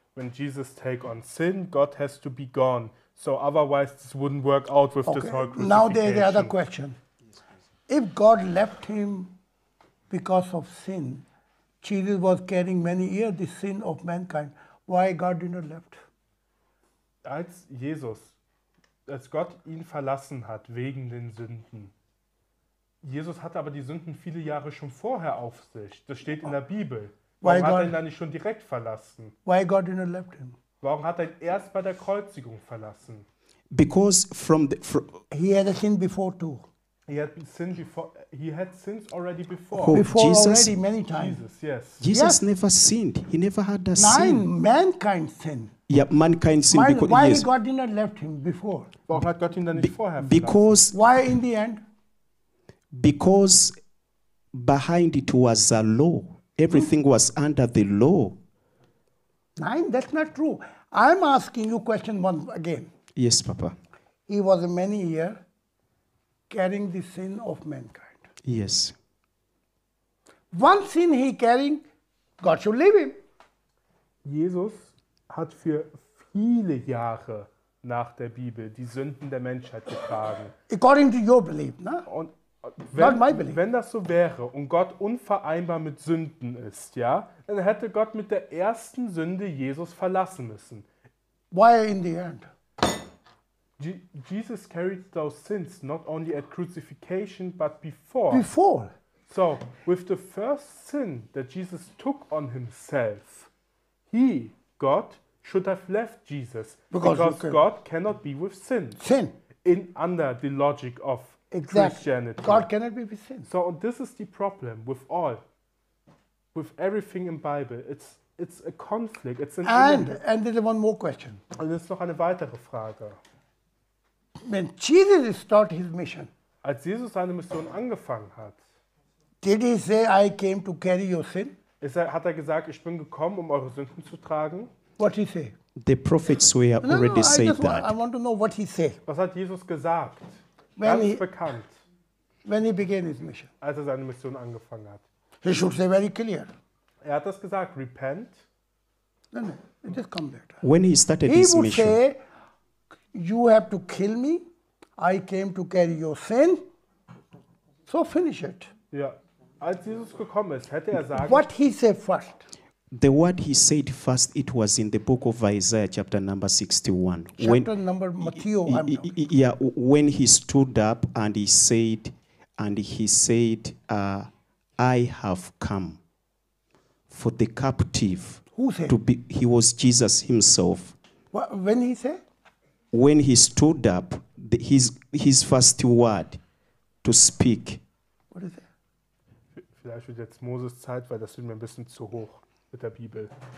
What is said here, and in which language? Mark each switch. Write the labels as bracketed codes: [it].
[en] When Jesus take on sin, God has to be gone. So otherwise this wouldn't work out with this whole crucifixion. Now there's the other question. If God left him because of sin, Jesus was carrying many years the sin of mankind. Why God did not left? [de] Als Gott ihn verlassen hat wegen den Sünden. Jesus hatte aber die Sünden viele Jahre schon vorher auf sich. Das steht in der Bibel. Warum hat er ihn dann nicht schon direkt verlassen? Why God did not left him? Warum hat er ihn erst bei der Kreuzigung verlassen? [en] Because from he had a sin before too. He had sins already before. Jesus, already many times. Jesus never sinned. He never had a sin. mankind sin. Yeah, mankind sin. Why God did not left him before? Warum hat Gott ihn dann nicht vorher verlassen? Because why in the end? Because behind it was a law. Everything was under the law. Nine, that's not true. I'm asking you question one again. Yes, Papa. He was many years carrying the sin of mankind. Yes. One sin he carrying, God should leave him. [de] Jesus hat für viele Jahre nach der Bibel die Sünden der Menschheit getragen. [en] According to your belief, ne? [de] Und Wenn das so wäre und Gott unvereinbar mit Sünden ist, ja, dann hätte Gott mit der ersten Sünde Jesus verlassen müssen. [en] Why in the end? Jesus carried those sins not only at crucifixion but before. Before. So, with the first sin that Jesus took on himself, God, should have left Jesus. Because God cannot be with sin. Sin. In under the logic of exactly. Christianity. God cannot be with sin. So this is the problem with all, with everything in Bible. It's a conflict. It's an and there's one more question. [de] Und es ist noch eine weitere Frage. [en] When Jesus started his mission, [de] als Jesus seine Mission angefangen hat, [en] did he say, "I came to carry your sin"? [de] Hat er gesagt, ich bin gekommen, um eure Sünden zu tragen? [en] What he say? The prophets were already said that. I want to know what he say. [de] Was hat Jesus gesagt? Ganz bekannt. [en] When he began his mission. [de] Als er seine Mission angefangen hat. [en] He should say very clear. [de] Er hat das gesagt, repent. [en] No, it just come later. When he started his mission. He would say, you have to kill me. I came to carry your sin. So finish it. [de] Ja, als Jesus gekommen ist, hätte er sagen. [en] What he said first. The word he said first, it was in the book of Isaiah, chapter number 61. When he stood up and he said, I have come for the captive. Who said? He was Jesus himself. What, when he said? When he stood up, his first word to speak. What is it? [de] Vielleicht wird jetzt Moses Zeit, weil das wird mir ein bisschen zu hoch mit der Bibel.